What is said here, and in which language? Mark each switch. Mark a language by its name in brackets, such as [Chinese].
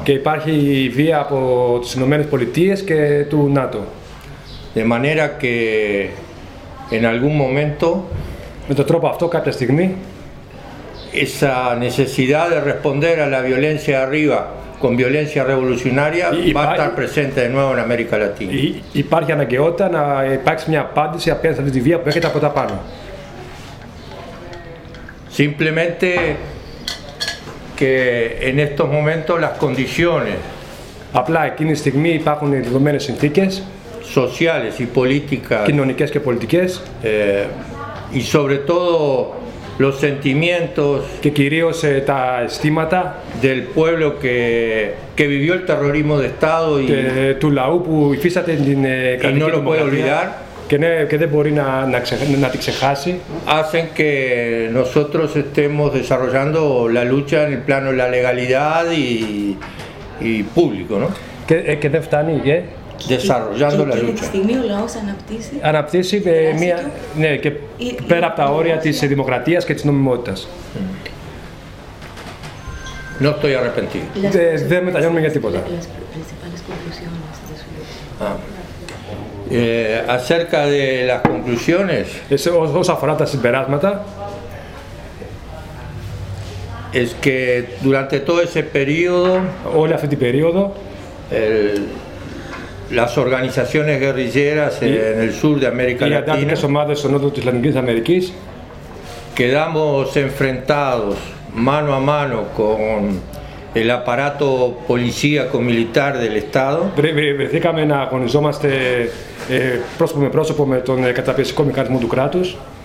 [Greek] Και υπάρχει η βία από τις Ηνωμένες Πολιτείες και του ΝΑΤΟ. [Spanish] De manera que en algún momento, [Greek] με τον τρόπο αυτό κάποια στιγμή, [Spanish] esa necesidad de responder a la violencia arriba con violencia revolucionaria va a estar presente de nuevo en América Latina. [Greek] Υπάρχει αναγκαιότητα να υπάρξει μια απάντηση απέναντι στην βία που έρχεται από τα πάνω. [Spanish] Simplemente que en estos momentos las condiciones, [Greek] απλά εκείνη τη στιγμή υπάρχουν οι δεδομένες συνθήκες, [Spanish] sociales y políticas, [Greek] κοινωνικές και πολιτικές, [Spanish] y sobre todo los sentimientos, [Greek] και κυρίως τα αισθήματα, [Spanish] del pueblo que vivió el terrorismo de Estado y [Greek] του λαού που υφίσταται την κρατική τρομοκρατία, και δεν μπορεί να την ξεχάσει, [Spanish] hacen que nosotros estemos desarrollando la lucha en el plano de la legalidad y público, ¿no? [Greek] Και δεν φτάνει, ¿eh? [Spanish] Desarrollando [Greek] και [Spanish] la lucha. [Greek] Αναπτύσσει μια, ναι, και πέρα από τα όρια της δημοκρατίας και της νομιμότητας. [Spanish] No estoy arrepentido. [Greek] Δεν μετανιώνουμε για τίποτα. [Spanish] Las principales conclusiones de su lucha. Acerca de las conclusiones. [Greek] Όσο αφορά τα συμπεράσματα. [Spanish] Es que durante todo ese periodo. [Greek] Όλη αυτή την περίοδο. [Spanish] Las organizaciones guerrilleras en el sur de América Latina. [Greek] Οι αντάρτικες ομάδες στο νότο της Λατινικής Αμερικής. [Spanish] Quedamos enfrentados mano a mano con el aparato policíaco militar del Estado. [Greek] Βρεθήκαμε να αγωνιζόμαστε πρόσωπο με πρόσωπο με τον καταπιεστικό μηχανισμό του κράτους.